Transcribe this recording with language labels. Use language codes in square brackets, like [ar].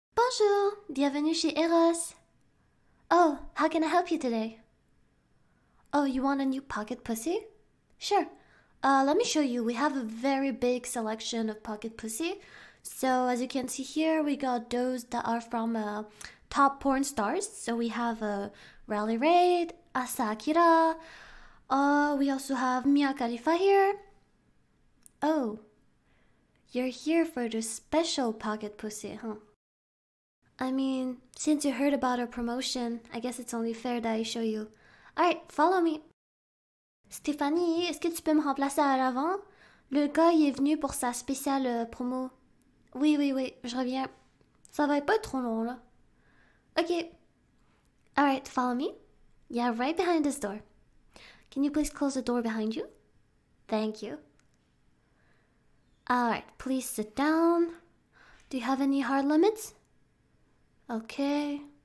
[fr] Bonjour, bienvenue chez Eros. [en] Oh, how can I help you today? Oh, you want a new pocket pussy? Sure. Let me show you. We have a very big selection of pocket pussy. So, as you can see here, we got those that are from top porn stars. So, we have Riley Reid, Asakura. We also have Mia Khalifa here. Oh, you're here for the special pocket pussy, huh? I mean, since you heard about our promotion, I guess it's only fair that I show you. Alright, follow me. [fr] Stéphanie, est-ce que tu peux me remplacer à l'avant? Le gars, il est venu pour sa spéciale promo. Oui, je reviens. Ça va pas être trop long, là. [en] Ok. Alright, follow me. Yeah, right behind this door. Can you please close the door behind you? Thank you. Alright, please sit down. Do you have any hard limits? Okay.